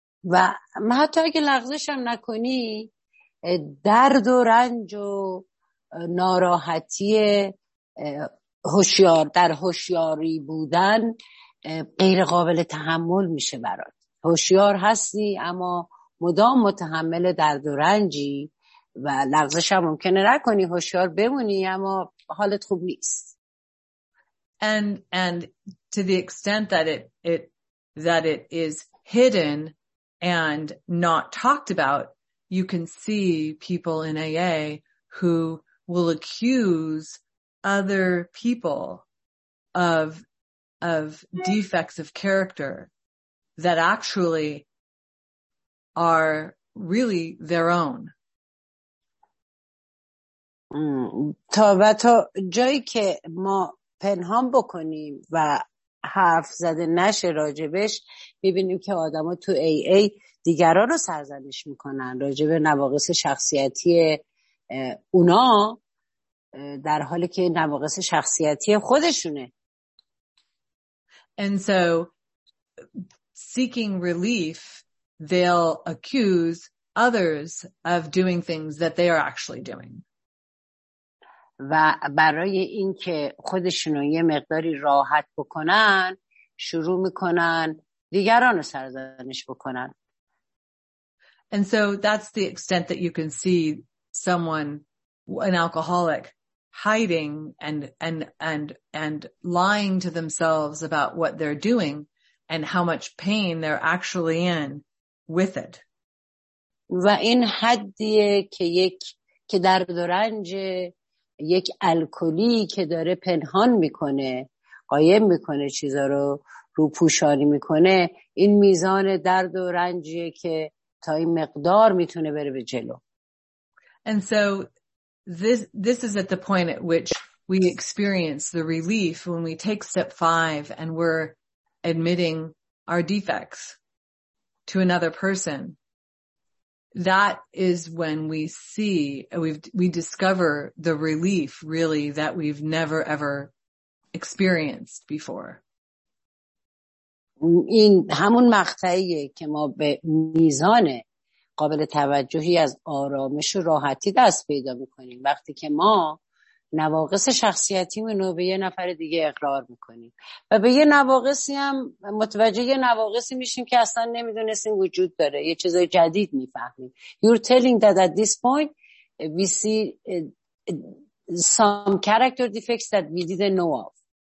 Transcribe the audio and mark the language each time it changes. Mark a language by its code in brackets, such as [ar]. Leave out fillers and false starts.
[fa] و ما حتی اگه لغزش هم نکنی درد و رنج و ناراحتی هوشیار در هوشیاری بودن غیر قابل تحمل میشه برات. هوشیار هستی اما مدام متحمل درد و رنجی و لغزش هم ممکنه نکنی، هوشیار بمونی اما حالت خوب نیست. [en] And to the extent that it is hidden and not talked about, you can see people in AA who will accuse other people of defects of character that actually are really their own. [fa] تا جایی که ما پنهان بکنیم و حرف زده نشه راجبش، میبینیم که آدم ها تو AA دیگران رو سرزنش میکنن راجب نواقص شخصیتی اونا در حالی که نواقص شخصیتی خودشونه. [en] And so seeking relief, they'll accuse others of doing things that they are actually doing. [fa] و برای این که خودشون رو یه مقداری راحت بکنن شروع میکنن دیگران رو سرزنش بکنن. [en] And so that's the extent that you can see someone, an alcoholic, hiding and lying to themselves about what they're doing and how much pain they're actually in with it. [fa] و این حدیه که که درد و رنج یک الکلی که داره پنهان میکنه، قایم میکنه، چیزا رو روپوشانی میکنه، این میزان درد و رنجیه که تا این مقدار میتونه بره به جلو. [en] And so this is at the point at which we experience the relief when we take step 5 and we're admitting our defects to another person. That is when we see, we discover the relief really that we've never ever experienced before. [fa] این همون مقطعیه که ما به میزان قابل توجهی از آرامش و راحتی دست پیدا میکنیم وقتی که ما نواقص شخصیتیمون رو به یه نفر دیگه اقرار میکنیم و به یه نواقصی هم متوجه یه نواقصی میشیم که اصلا نمیدونستیم وجود داره، یه چیزای جدید میفهمیم. [en] You're telling that at this point we see some character defects that we didn't know of.